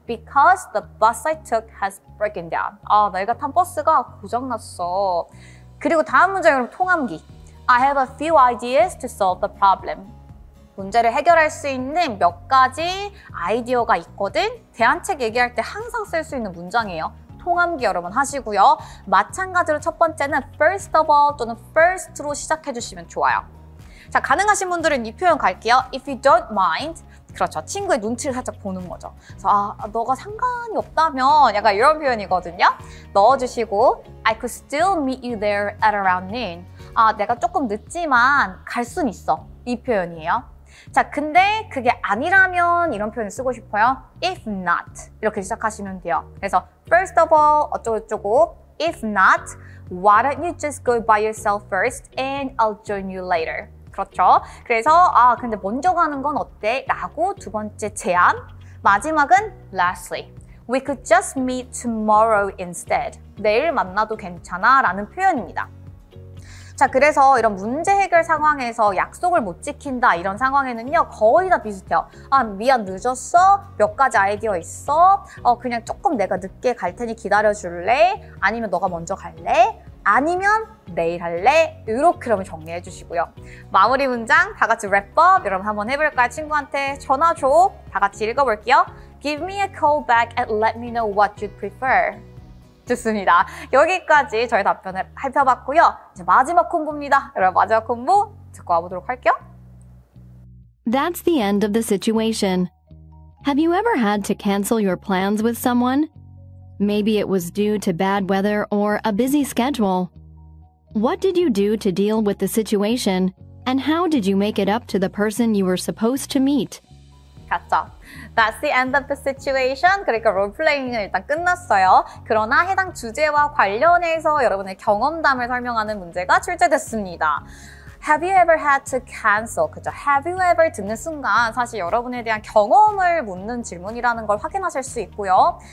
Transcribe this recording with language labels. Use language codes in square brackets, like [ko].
[en] Because the bus I took has broken down. [ko] 아, 내가 탄 버스가 고장났어. 그리고 다음 문장 여러분 통암기. [en] I have a few ideas to solve the problem. [ko] 문제를 해결할 수 있는 몇 가지 아이디어가 있거든. 대안책 얘기할 때 항상 쓸 수 있는 문장이에요. 통암기 여러분 하시고요. 마찬가지로 첫 번째는 first of all 또는 first로 시작해 주시면 좋아요. 자, 가능하신 분들은 이 표현 갈게요. [en] If you don't mind. [ko] 그렇죠. 친구의 눈치를 살짝 보는 거죠. 그래서 아, 너가 상관이 없다면 약간 이런 표현이거든요. 넣어주시고 [en] I could still meet you there at around noon. [ko] 아, 내가 조금 늦지만 갈 순 있어. 이 표현이에요. 자, 근데 그게 아니라면 이런 표현을 쓰고 싶어요. [en] If not. [ko] 이렇게 시작하시면 돼요. 그래서 [en] first of all [ko] 어쩌고저쩌고 [en] If not, why don't you just go by yourself first and I'll join you later. [ko] 그렇죠. 그래서 아 근데 먼저 가는 건 어때? 라고 두 번째 제안. 마지막은 lastly. [en] We could just meet tomorrow instead. [ko] 내일 만나도 괜찮아 라는 표현입니다. 자, 그래서 이런 문제 해결 상황에서 약속을 못 지킨다 이런 상황에는요 거의 다 비슷해요. 아 미안 늦었어? 몇 가지 아이디어 있어? 어 그냥 조금 내가 늦게 갈 테니 기다려줄래? 아니면 너가 먼저 갈래? 아니면 내일 할래? 이렇게 그러면 정리해 주시고요. 마무리 문장 다 같이 랩업 여러분 한번 해볼까요? 친구한테 전화 줘. 다 같이 읽어볼게요. [en] Give me a call back and let me know what you'd prefer. [ko] 좋습니다. 여기까지 저희 답변을 살펴봤고요. 이제 마지막 콤보입니다. 여러분 마지막 콤보 듣고 와보도록 할게요. [en] That's the end of the situation. Have you ever had to cancel your plans with someone? Maybe it was due to bad weather or a busy schedule. What did you do to deal with the situation? And how did you make it up to the person you were supposed to meet? [ko] 갔죠. [en] That's the end of the situation. [ko] 그러니까 롤플레잉은 일단 끝났어요. 그러나 해당 주제와 관련해서 여러분의 경험담을 설명하는 문제가 출제됐습니다. [en] Have you ever had to cancel? [ko] 그죠? [en] Have you ever [ko] 듣는 순간 사실 여러분에 대한 경험을 묻는 질문이라는 걸 확인하실 수 있고요.